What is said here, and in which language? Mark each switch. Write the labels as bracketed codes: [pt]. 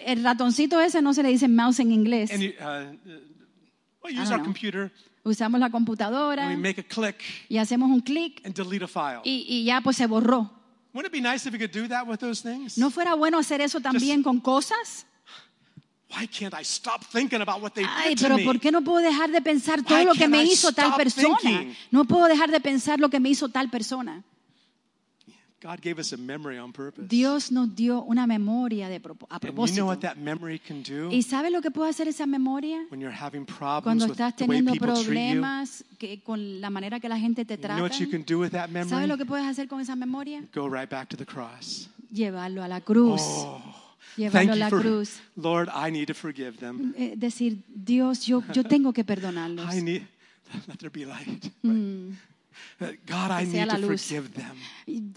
[es] El ratoncito ese no se le dice mouse en inglés. [en] Well, use our computer, [es] usamos la computadora [en] and we make a click, [es] y hacemos un clic y ya pues se borró. [en] Wouldn't it be nice if we could do that with those things? [es] ¿No fuera bueno hacer eso también con cosas? [en] Why can't I stop thinking about what they did to me? [es] Ay, pero ¿por qué no puedo dejar de pensar todo lo que me hizo tal persona? [en] Thinking? [es] No puedo dejar de pensar lo que me hizo tal persona. [en] God gave us a memory on purpose. [es] Dios nos dio una memoria de propósito. [en] And you know what that memory can do? [es] ¿Y sabes lo que puede hacer esa memoria? [en] When you're having problems, [es] cuando estás [en] with [es] teniendo [en] the way people [es] problemas [en] treat you, [es] que con la manera que la gente te trata. [en] You know what you can do with that memory? [es] ¿Sabes lo que puedes hacer con esa memoria? [en] Go right back to the cross. [es] Llevarlo a la cruz. [en] Oh, thank you, Lord, I need to forgive them. [es] Decir, Dios, yo tengo que perdonarlos. [en] I need, let there be light. God, I need to forgive them.